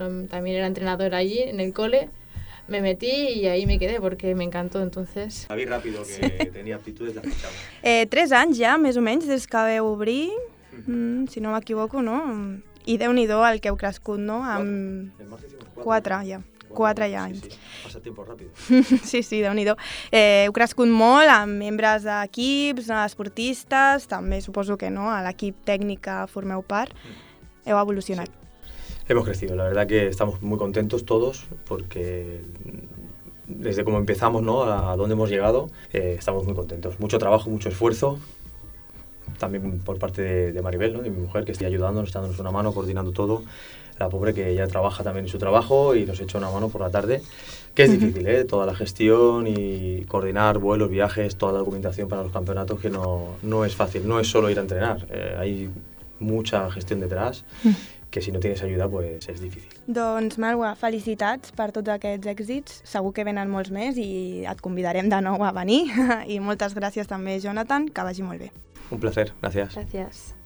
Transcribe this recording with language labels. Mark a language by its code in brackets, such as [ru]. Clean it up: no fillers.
[es] También era entrenador allí en el cole. Me metí y ahí me quedé porque me encantó, entonces. Sabí rápido que tenía aptitudes de aficionado. [ca] Tres anys ja, més o menys, des que vau obrir, si no m'equivoco, no? I déu-n'hi-do el que heu crescut, no? Quatre anys. Passa el temps ràpid. Sí, déu-n'hi-do. Heu crescut molt amb membres d'equips, esportistes, també suposo que no, a l'equip tècnic que formeu part. Heu evolucionat. Sí. [es] Hemos crecido, la verdad que estamos muy contentos todos porque desde cómo empezamos, ¿no?, a dónde hemos llegado, estamos muy contentos. Mucho trabajo, mucho esfuerzo, también por parte de Maribel, ¿no?, de mi mujer, que está ayudándonos, dándonos una mano, coordinando todo. La pobre, que ella trabaja también en su trabajo y nos echa una mano por la tarde, que es difícil, ¿eh? Toda la gestión y coordinar vuelos, viajes, toda la documentación para los campeonatos, que no es fácil, no es solo ir a entrenar, hay mucha gestión detrás. Que si no tienes ayuda, pues es difícil. [ca] Doncs, Marwa, felicitats per tots aquests èxits. Segur que venen molts més i et convidarem de nou a venir. I moltes gràcies també, Jonathan, que vagi molt bé. [es] Un placer, [ca] gràcies. Gràcies.